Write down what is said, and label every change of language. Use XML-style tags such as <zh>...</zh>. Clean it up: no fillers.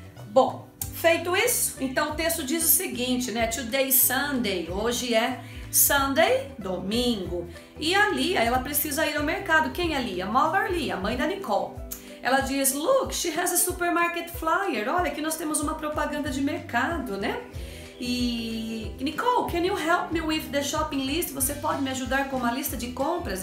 <pt>Bom, feito isso, então o texto diz o seguinte, né?</pt> <en>Today is Sunday,</en> <pt>hoje é...</pt> <en>Sunday,</en> <pt>domingo. E a Lia, ela precisa ir ao mercado. Quem é a Lia?</pt> <en>Mother</en> <pt>Lia, mãe da Nicole. Ela diz,</pt> <en>look, she has a supermarket flyer.</en> <pt>Olha, aqui nós temos uma propaganda de mercado, né?</pt> <en>E Nicole, can you help me with the shopping list?</en> <pt>Você pode me ajudar com uma lista de compras?</pt>